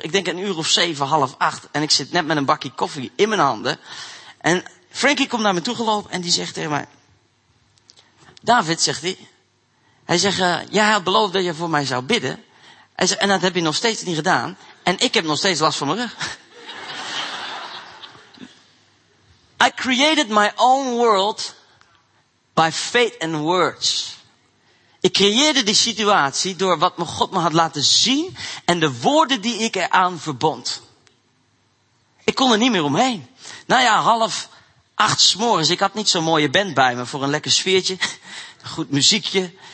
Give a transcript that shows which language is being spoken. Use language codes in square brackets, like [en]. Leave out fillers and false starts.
[nl] Ik denk een uur of 7:30. En ik zit net met een bakje koffie in mijn handen. En Frankie komt naar me toe gelopen en die zegt tegen mij. David, zegt hij. Hij zegt, jij had beloofd dat je voor mij zou bidden. Hij zegt, en dat heb je nog steeds niet gedaan. En ik heb nog steeds last van mijn rug. [en] I created my own world by faith and words. [nl] Ik creëerde die situatie door wat God me had laten zien en de woorden die ik eraan verbond. Ik kon er niet meer omheen. Nou ja, 7:30 's morgens. Ik had niet zo'n mooie band bij me voor een lekker sfeertje. Goed muziekje.